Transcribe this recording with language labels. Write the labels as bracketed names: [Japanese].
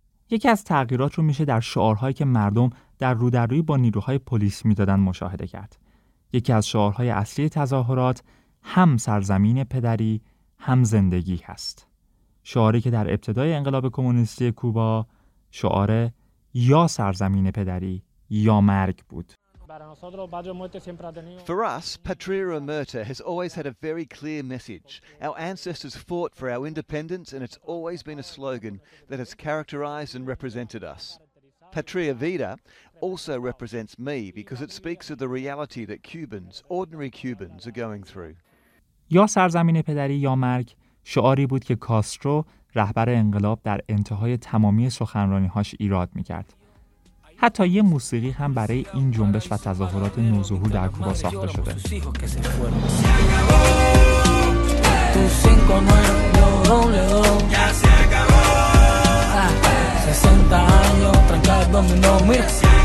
[Persian] یکی از تغییرات رو میشه در شعارهایی که مردم در رودرویی با نیروهای پلیس میدادن مشاهده کرد. یکی از شعارهای اصلی تظاهرات هم سرزمین پدری هم زندگی هست، شعاری که در ابتدای انقلاب کمونیستی کوبا شعار یا سرزمین پدری یا مرگ بود. [English] For us, patria or murder has always had a very clear message. Our ancestors fought for our independence and it's always been a slogan that has characterized and represented us. Patria vita also represents me because it speaks of the reality that Cubans, ordinary Cubans are going through. [Persian] یا سرزمین پدری یا مرگ شعاری بود که کاسترو رهبر انقلاب در انتهای تمامی سخنرانی‌هاش ایراد می‌کرد. حتی یه موسیقی هم برای این جنبش و تظاهرات نوظهور در کوبا ساخته شده.